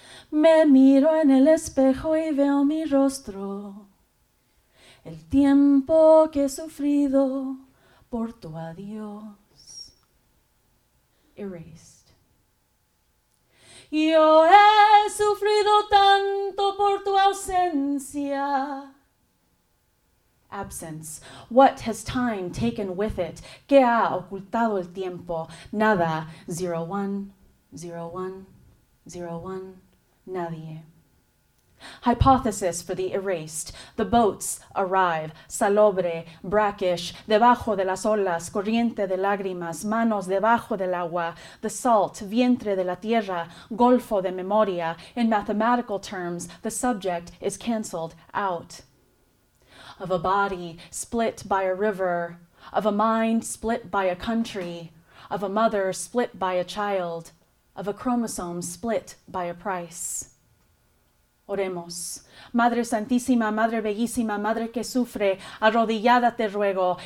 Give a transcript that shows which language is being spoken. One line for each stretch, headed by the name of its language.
Spanish: Me miro en el espejo y veo mi rostro, el tiempo que he sufrido por tu adiós.
English: Erased.
Spanish: Yo he sufrido tanto por tu ausencia.
English: Absence. What has time taken with it?
Spanish: ¿Qué ha ocultado el tiempo? Nada. 01, 01, 01. Nadie.
English: Hypothesis for the erased. The boats arrive.
Spanish: Salobre,
English: brackish,
Spanish: debajo de las olas, corriente de lágrimas, manos debajo del agua,
English: the salt,
Spanish: vientre de la tierra, golfo de memoria.
English: In mathematical terms, the subject is cancelled out. Of a body split by a river, of a mind split by a country, of a mother split by a child, of a chromosome split by a price.
Spanish: Oremos. Madre Santísima, Madre Bellísima, Madre que sufre, arrodillada te ruego.